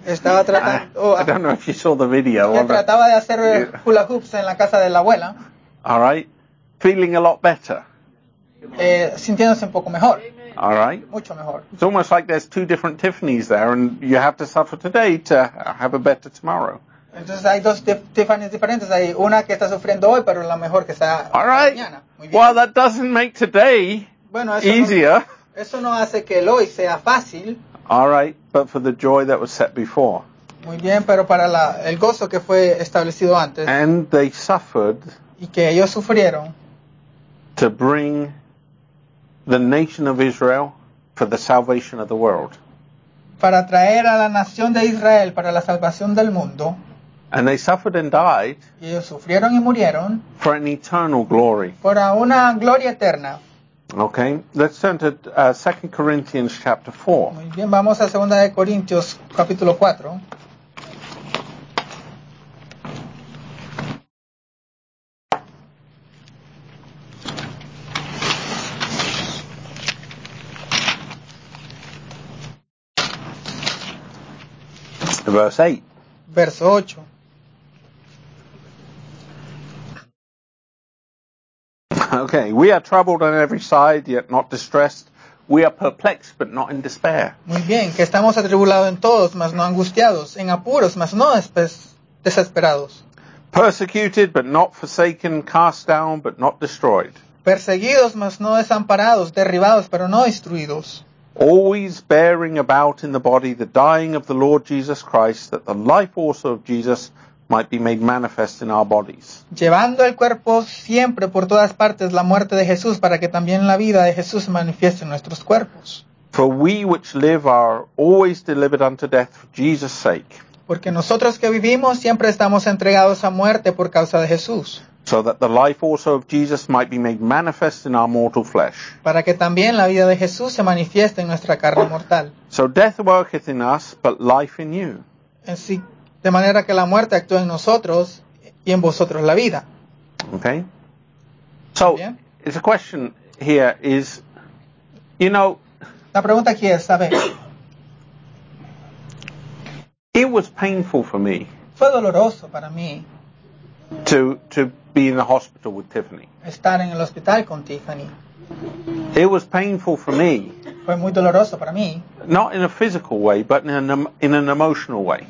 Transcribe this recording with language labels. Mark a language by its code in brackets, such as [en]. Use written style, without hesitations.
[en] I don't know if you saw the video. [es] Hula hoops en la casa de la abuela. [en] All right. Feeling a lot better. [es] Sintiéndose un poco mejor. [en] All right. [es] Mucho mejor. [en] It's almost like there's two different Tiffanys there, and you have to suffer today to have a better tomorrow. [es] Entonces hay dos Tiffanys diferentes. Hay una que está sufriendo hoy, pero la mejor que está mañana. [en] All right. Well, that doesn't make today easier. [es] Eso no hace que el hoy sea fácil. [en] All right, but for the joy that was set before. [es] Muy bien, pero para el gozo que fue establecido antes. [en] And they suffered. [es] Y que ellos sufrieron. [en] To bring the nation of Israel for the salvation of the world. [es] Para traer a la nación de Israel para la salvación del mundo. [en] And they suffered and died. [es] Y ellos sufrieron y murieron. [en] For an eternal glory. [es] Para una gloria eterna. [en] Okay, let's turn to 2 Corinthians chapter 4. [es] Muy bien, vamos a 2 de Corintios capítulo 4. [en] Verse 8. [es] Verso 8. [en] Okay, we are troubled on every side, yet not distressed. We are perplexed, but not in despair. [es] Muy bien, que estamos atribulados en todos, mas no angustiados; en apuros, mas no desesperados. [en] Persecuted, but not forsaken; cast down, but not destroyed. [es] Perseguidos, mas no desamparados; derribados, pero no destruidos. [en] Always bearing about in the body the dying of the Lord Jesus Christ, that the life also of Jesus might be made manifest in our bodies. [es] Llevando el cuerpo siempre por todas partes la muerte de Jesús, para que también la vida de Jesús se manifieste en nuestros cuerpos. [en] For we which live are always delivered unto death for Jesus' sake. [es] Porque nosotros que vivimos siempre estamos entregados a muerte por causa de Jesús. [en] So that the life also of Jesus might be made manifest in our mortal flesh. [es] Para que también la vida de Jesús se manifieste en nuestra carne mortal. [en] So death worketh in us, but life in you. [es] Así, de manera que la muerte actúa en nosotros y en vosotros la vida. [en] Okay. So, it's a question here is, you know, [es] la pregunta aquí es, ¿sabe? [en] It was painful for me. [es] Fue doloroso para mí. [en] To be in the hospital with Tiffany. [es] Estar en el hospital con Tiffany. [en] It was painful for me. [es] Fue muy doloroso para mí. [en] Not in a physical way, but in an emotional way.